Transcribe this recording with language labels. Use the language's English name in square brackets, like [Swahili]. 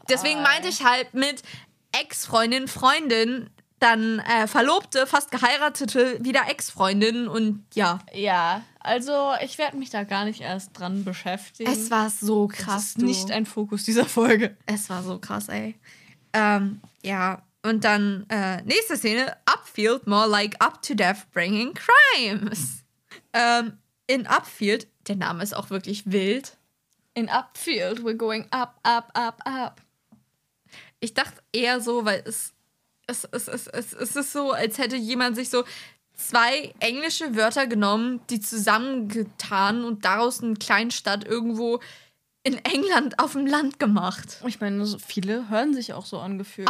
[German] Deswegen meinte ich halt mit Ex-Freundin, Freundin, dann Verlobte, fast geheiratete, wieder Ex-Freundin und ja. Ja, also ich werde mich da gar nicht erst dran beschäftigen. Es war so krass. Das ist nicht ein Fokus dieser Folge. Es war so krass, ey. Ja, und dann nächste Szene. [English] Upfield, more like up to death bringing crimes. [German] In Upfield, der Name ist auch wirklich wild. [English] In Upfield, we're going up, up, up, up. [German] Ich dachte eher so, weil es ist so, als hätte jemand sich so zwei englische Wörter genommen, die zusammengetan und daraus eine Kleinstadt irgendwo in England auf dem Land gemacht. Ich meine, so viele hören sich auch so angefühlt.